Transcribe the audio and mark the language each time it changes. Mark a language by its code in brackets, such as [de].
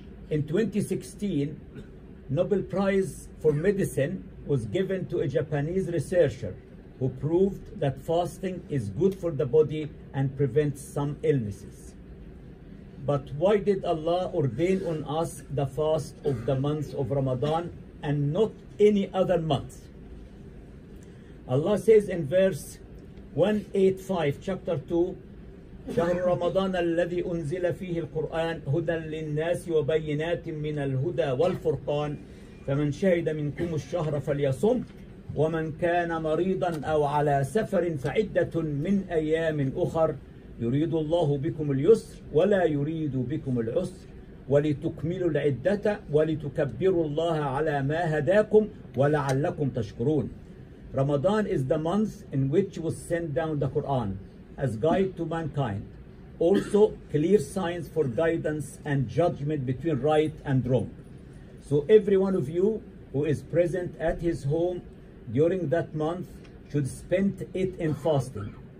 [en] In 2016, Nobel Prize for Medicine was given to a Japanese researcher who proved that fasting is good for the body and prevents some illnesses. But why did Allah ordain on us the fast of the month of Ramadan and not any other month? Allah says in verse 185, chapter 2, [ar] شهر رمضان الذي أنزل فيه القرآن هدى للناس وبينات من الهدى والفرقان فمن شهد منكم الشهر فليصم ومن كان مريضا أو على سفر فعدة من أيام أخر يريد الله بكم اليسر ولا يريد بكم العسر ولتكملوا العدة ولتكبروا الله على ما هداكم ولعلكم تشكرون. [en] Ramadan is the month in which was sent down the Quran as guide to mankind, also clear signs for guidance and judgment between right and wrong. So every one of you who is present at his home during that month should spend it in fasting.